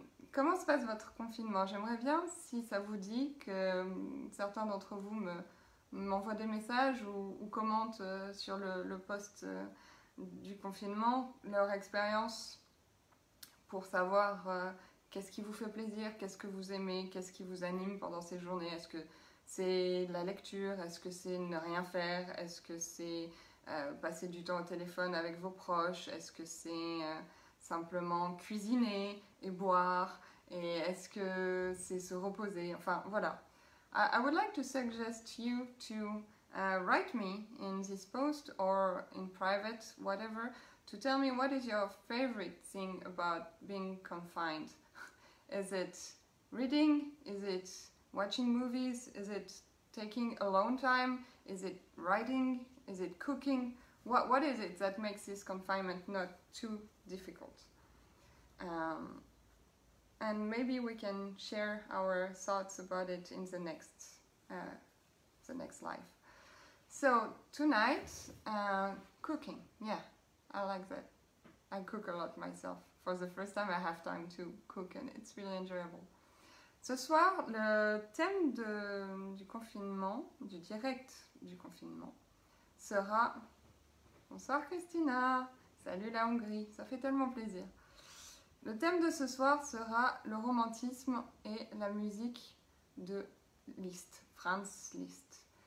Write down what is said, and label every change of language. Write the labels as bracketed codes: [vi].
[fr] Comment se passe votre confinement? J'aimerais bien, si ça vous dit, que certains d'entre vous m'envoient des messages ou commentent sur le post du confinement leur expérience pour savoir qu'est-ce qui vous fait plaisir, qu'est-ce que vous aimez, qu'est-ce qui vous anime pendant ces journées. Est-ce que c'est la lecture? Est-ce que c'est ne rien faire? Est-ce que c'est passer du temps au téléphone avec vos proches? Est-ce que c'est simplement cuisiner et boire? Et est-ce que c'est se reposer? Enfin, voilà. [en] I would like to suggest you to write me in this post or in private, whatever, to tell me what is your favorite thing about being confined. Is it reading? Is it watching movies? Is it taking alone time? Is it writing? Is it cooking? What is it that makes this confinement not too difficult? And maybe we can share our thoughts about it in the next life. So tonight, cooking. Yeah, I like that. I cook a lot myself. For the first time, I have time to cook, and it's really enjoyable. [fr] Ce soir, le thème du confinement, du direct du confinement, sera. Bonsoir Christina, salut la Hongrie, ça fait tellement plaisir. Le thème de ce soir sera le romantisme et la musique de Liszt, Franz Liszt.